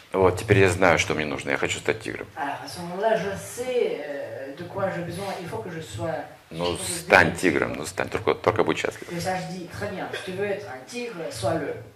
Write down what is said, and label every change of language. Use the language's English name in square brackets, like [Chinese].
[Russian] Вот, теперь я знаю, что мне нужно, я хочу стать тигром. [French] Alors, à ce moment-là, je sais de quoi j'ai besoin, il faut que je sois... [Russian] Ну, стань тигром, только будь счастлив. [French] Le sage dit, très bien, si tu veux être un tigre, sois-le.